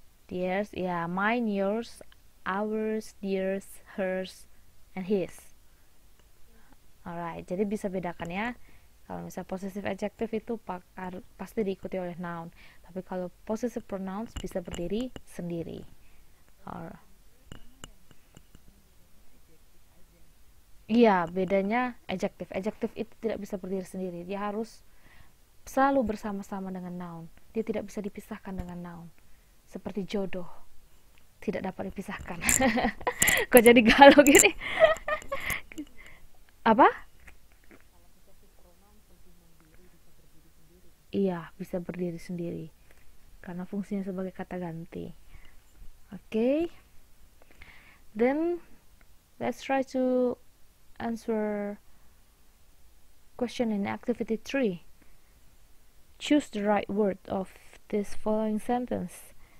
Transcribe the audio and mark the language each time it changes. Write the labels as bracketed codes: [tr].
[en] Theirs, ya, mine, yours, ours, theirs, hers, and his. [id] Alright, jadi bisa bedakan ya. Kalau misalnya possessive adjective itu pasti diikuti oleh noun. Tapi kalau possessive pronoun bisa berdiri sendiri. [en] Alright. [id] Iya, bedanya adjective. Adjective itu tidak bisa berdiri sendiri. Dia harus selalu bersama-sama dengan noun. Dia tidak bisa dipisahkan dengan noun. Seperti jodoh, tidak dapat dipisahkan. Kok jadi galau gini? Apa? Iya, bisa berdiri sendiri. Karena fungsinya sebagai kata ganti. [en] Okay. Then, let's try to answer question in activity 3. Choose the right word of this following sentence.